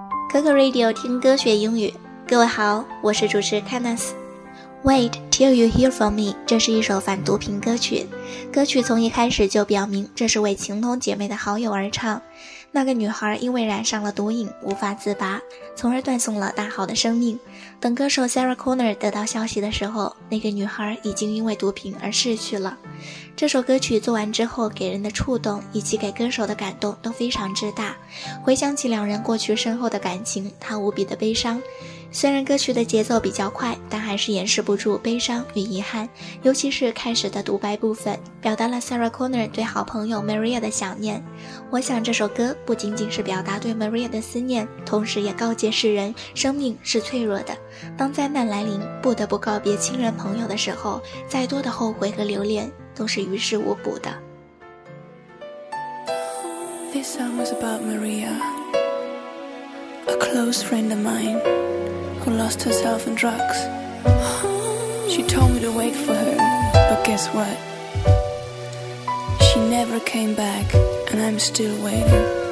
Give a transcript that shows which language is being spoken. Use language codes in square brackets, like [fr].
[zh] Coco Radio 听歌学英语，各位好，我是主持 Kenneth。 Wait till you hear from me， 这是一首反毒品歌曲。歌曲从一开始就表明，这是为情同姐妹的好友而唱。那个女孩因为染上了毒瘾，无法自拔，从而断送了大好的生命。等歌手 Sarah Connor 得到消息的时候，那个女孩已经因为毒品而逝去了。这首歌曲做完之后，给人的触动以及给歌手的感动都非常之大。回想起两人过去深厚的感情，她无比的悲伤。虽然歌曲的节奏比较快，但还是掩饰不住悲伤与遗憾，尤其是开始的独白部分，表达了 Sarah Connor 对好朋友 Maria 的想念。我想这首歌不仅仅是表达对 Maria 的思念，同时也告诫世人，生命是脆弱的，当灾难来临，不得不告别亲人朋友的时候，再多的后悔和留恋都是于事无补的。 [en] This song was about Maria, a close friend of mineWho lost herself in drugs. She told me to wait for her, but guess what? She never came back, and I'm still waiting.